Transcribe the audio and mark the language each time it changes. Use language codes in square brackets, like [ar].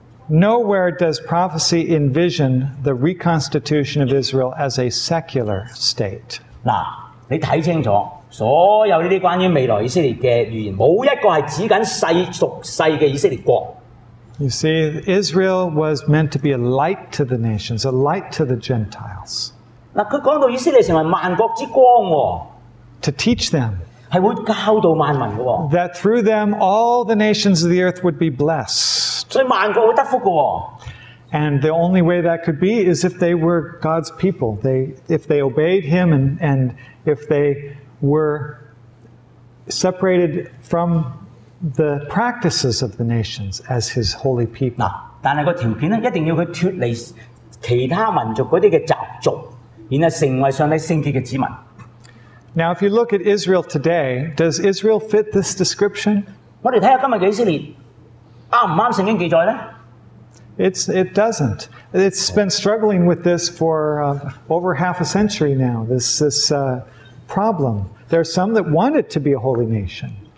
[en] Nowhere does prophecy envision the reconstitution of Israel as a secular state. [zh] 嗱,你看清楚,所有这些关于未来以色列的预言,没有一个是指紧世,属世的以色列国。 [en] You see, Israel was meant to be a light to the nations, a light to the Gentiles. [zh] 他说到以色列成为万国之光。 [en] To teach them [zh] 是会教导万民的。 [en] That through them all the nations of the earth would be blessed. [zh] 所以万国会得福的。 [en] And the only way that could be is if they were God's people. If they obeyed Him and if they were separated from the practices of the nations as his holy people. [zh] 但是那个条件呢,一定要他脱离其他民族那些的习俗,然后成为上帝圣洁的子民。 [en] Now, if you look at Israel today, does Israel fit this description? [zh] 我们看看今天的以色列,合不合圣经记载呢? [en] It doesn't. It's been struggling with this for over half a century now, this problem. There are some that want it to be a holy nation.